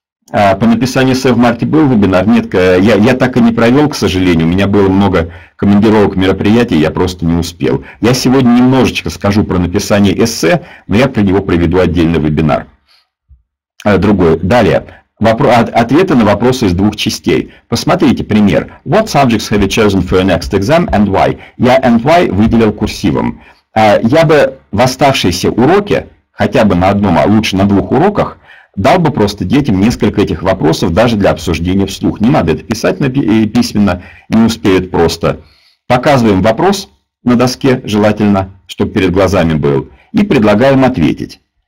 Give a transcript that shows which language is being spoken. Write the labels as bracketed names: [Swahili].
[Russian] По написанию эссе в марте был вебинар? Нет, я так и не провел, к сожалению. У меня было много командировок, мероприятий, я просто не успел. Я сегодня немножечко скажу про написание эссе, но я про него проведу отдельный вебинар. Другой. Далее. Ответы на вопросы из двух частей. Посмотрите, пример. [English] What subjects have you chosen for your next exam and why? [Russian] Я [English] and why [Russian] выделил курсивом. Я бы в оставшиеся уроки, хотя бы на одном, а лучше на двух уроках, дал бы просто детям несколько этих вопросов даже для обсуждения вслух. Не надо это писать письменно, не успеют просто. Показываем вопрос на доске, желательно, чтобы перед глазами был, и предлагаем ответить.